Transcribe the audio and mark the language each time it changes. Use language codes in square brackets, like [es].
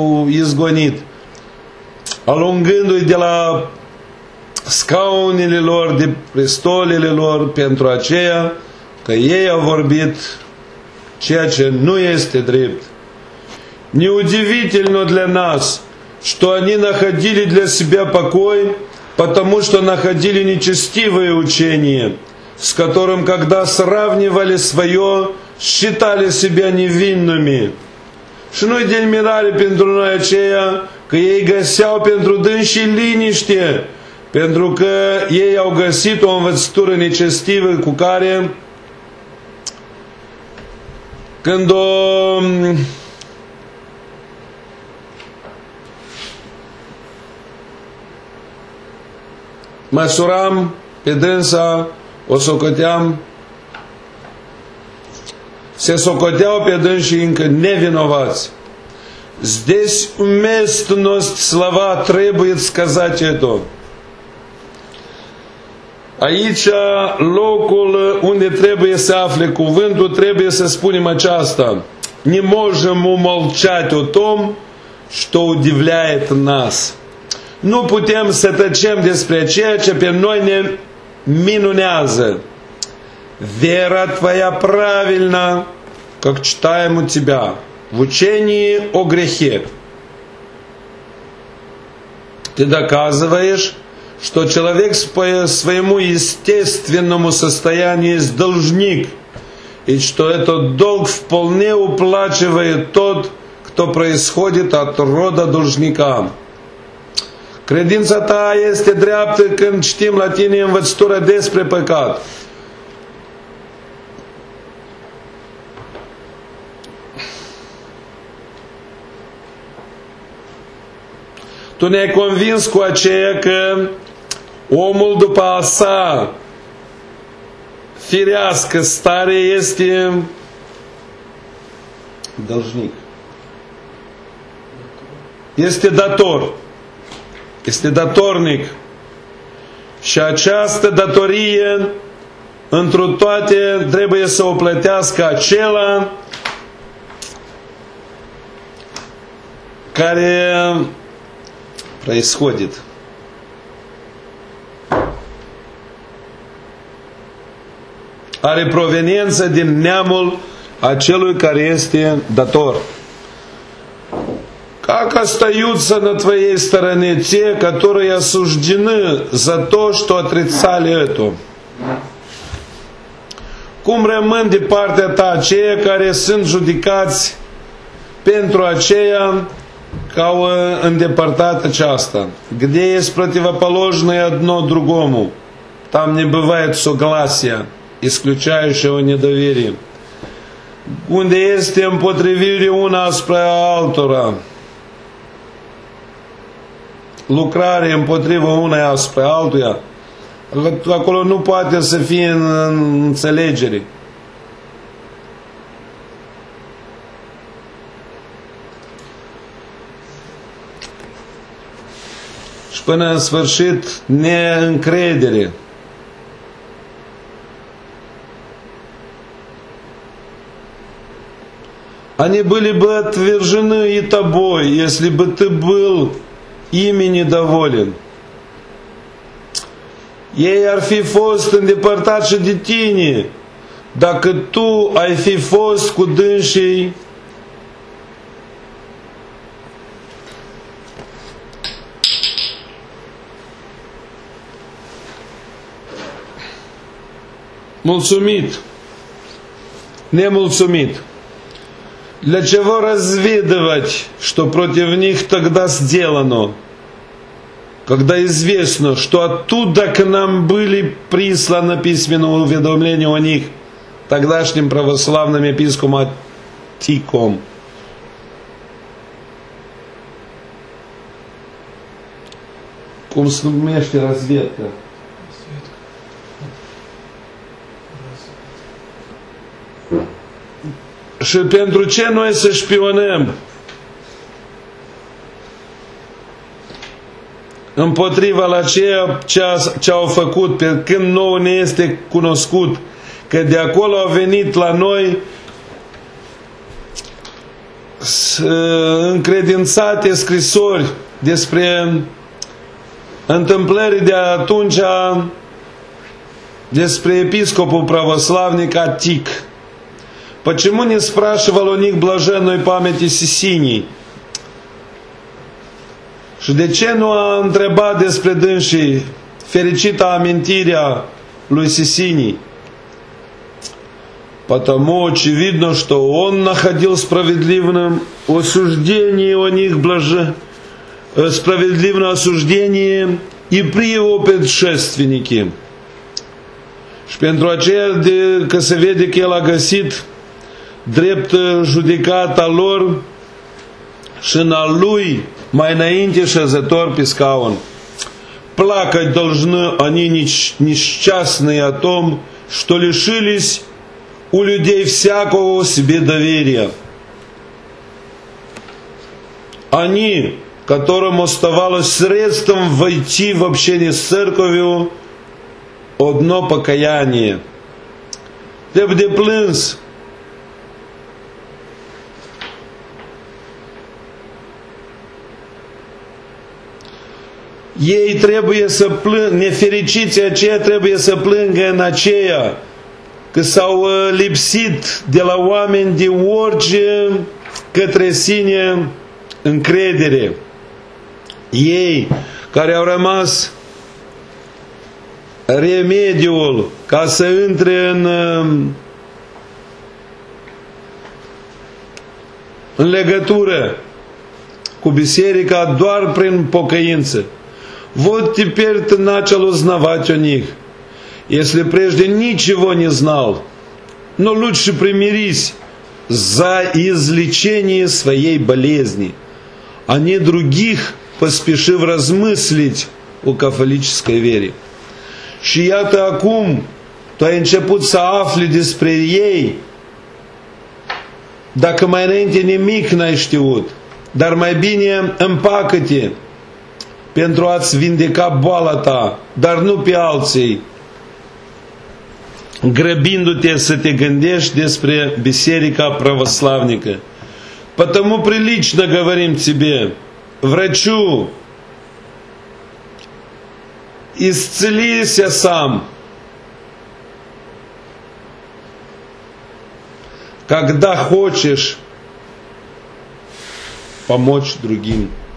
[ro] izgonit, alungându-i de la scaunele lor, de prestolele lor, pentru aceea că ei au vorbit ceea ce nu este drept. [ru] Неудивительно для нас, что они находили для себя покой, потому что находили нечестивое учение, с которым, когда сравнивали свое, считали себя невинными. [ro] Și noi din mirare pentru noi aceia, că ei găseau pentru dânsii liniște, pentru că ei au găsit o învățătură necestivă cu care, când o... măsuram pe dânsa, o socoteam, se socoteau pe dânsii încă nevinovați. [ru] Здесь уместность слова требует сказать это. [ro] Aici locul unde trebuie să afle cuvântul, trebuie să spunem aceasta. [ru] Не можем умолчать о том, что удивляет нас. [ro] Nu putem să tăcem despre ceea ce pe noi ne minunează. [ru] Вера твоя правильна, как читаем у тебя. В учении о грехе ты доказываешь, что человек по своему естественному состоянию есть должник, и что этот долг вполне уплачивает тот, кто происходит от рода должника. [ro] Credința ta este dreaptă când citim la tine învățătura despre păcat. Tu ne-ai convins cu aceea că omul după a sa firească stare este dălșnic. Este dator. Este datornic. Și această datorie întru toate trebuie să o plătească acela care [ru] происходит. [ro] Are proveniență din neamul acelui care este dator. [ru] Как остаются на твоей стороне те, которые осуждены за то, что отрицали это? [ro] Cum rămân de partea ta aceia care sunt judecați pentru aceia că au îndepărtat aceasta. [ru] Где есть противоположное одно другому? Там не бывает согласия, исключающего недоверие. [ro] Unde este împotrivire una spre altora? Lucrare împotriva una spre altuia? Acolo nu poate să fie înțelegere. Până în sfârșit, neîncredere. [ru] Они были бы отвержены и тобой, если бы ты был ими недоволен. [ro] Ei ar fi fost îndepărtați și de tine, dacă tu ai fi fost cu dânsii mulțumit, nemulțumit. [ru] Для чего разведывать, что против них тогда сделано, когда известно, что оттуда к нам были присланы письменные уведомления о них тогдашним православным епископом Атиком? [ro] Cum se numește [ru] разведка? [ro] Și pentru ce noi să șpionăm împotriva la ceea ce au făcut, pe când nouă ne este cunoscut, că de acolo au venit la noi încredințate scrisori despre întâmplări de atunci despre episcopul pravoslavnic Atik. [ru] Почему не спрашивал у них блаженной памяти Сисиний? [ro] Și de ce nu a întrebat despre dânsii fericita amintirea lui Сисиний? [ru] Потому очевидно, что он находил справедливным осуждение о них справедливное осуждение и при его предшественнике. [ro] Și pentru aceea că se vede că el a găsit drept judecata lor și în al lui mai înainte șezător pe scaun. [ru] Плакать должны они несчастные о том, что лишились у людей всякого себе доверия. Они, которым оставалось средством войти в общение с церковью, одно покаяние. [ro] Trebuie de plâns. Ei trebuie să plângă, nefericiții aceia trebuie să plângă în aceea că s-au lipsit de la oameni de orice către sine încredere. Ei care au rămas remediul ca să intre în legătură cu biserica doar prin pocăință. [ru] Вот теперь ты начал узнавать о них, если прежде ничего не знал. Но лучше примирись за излечение своей болезни, а не других поспешив размыслить о католической вере. [ro] Și iată acum, tu ai început să afli despre ei, dacă mai înainte nimic n-ai știut, dar mai bine împacă-te pentru a-ți vindeca boala ta, dar nu pe alții, grăbindu-te să te gândești despre biserica pravoslavnică. [ru] Потому прилично говорим тебе, врачу, исцелися сам, когда хочешь помочь другим.